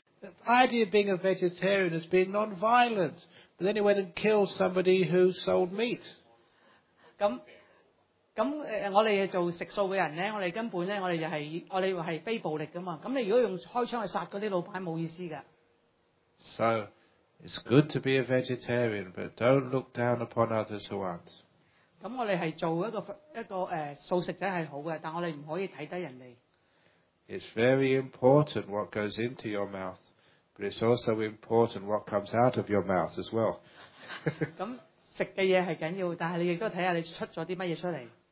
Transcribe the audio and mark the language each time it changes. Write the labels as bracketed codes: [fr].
[en] The idea of being a vegetarian is being non-violent. But then he went and killed somebody who sold meat. [yue] 咁我哋做食素嘅人咧，我哋根本咧，我哋係非暴力噶嘛。咁你如果用開槍去殺嗰啲老闆，冇意思噶。 [en] So it's good to be a vegetarian, but don't look down upon others who aren't. [yue] 咁我哋係做一個素食者係好嘅，但我哋唔可以睇低人哋。 [en] It's very important what goes into your mouth, but it's also important what comes out of your mouth as well. [yue] 咁食嘅嘢係緊要，但係你亦都睇下你出咗啲乜嘢出嚟。